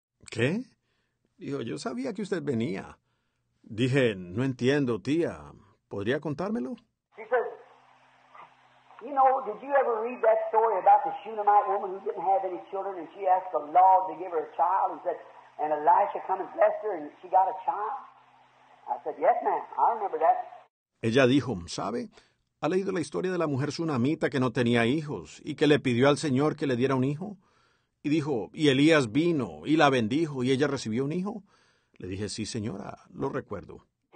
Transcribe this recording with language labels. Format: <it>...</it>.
<es>¿Qué? Dijo, yo sabía que usted venía. Dije, no entiendo, tía. ¿Podría contármelo?</es> <en>She says, you know, did you ever read that story about the Shunammite woman who didn't have any children and she asked the Lord to give her a child and said, and Elisha come and blessed her and she got a child? I said, yes, ma'am, I remember that.</en> <es>Ella dijo, ¿sabe? ¿Ha leído la historia de la mujer sunamita que no tenía hijos y que le pidió al Señor que le diera un hijo? Y dijo, y Elías vino y la bendijo y ella recibió un hijo. Le dije, sí, señora, lo recuerdo.</es>